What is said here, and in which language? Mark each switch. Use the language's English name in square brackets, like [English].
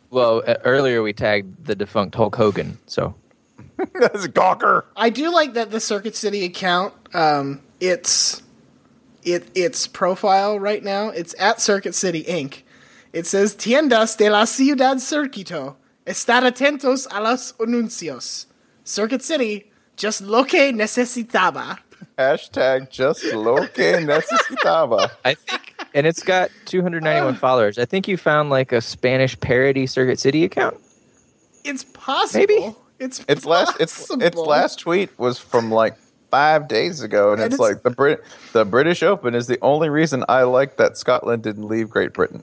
[English] Well, earlier we tagged the defunct Hulk Hogan, so. That's a gawker. I do like that the Circuit City account, its profile right now, it's at Circuit City, Inc., it says, Tiendas de la Ciudad Circuito. [Spanish] Estar atentos a los anuncios. Circuit City, just lo que necesitaba. Hashtag just lo que necesitaba. [English] I think, and it's got 291 followers. I think you found like a Spanish parody Circuit City account. It's possible. Maybe. It's last. Its last tweet was from like 5 days ago, and it's like the British Open is the only reason I like that Scotland didn't leave Great Britain.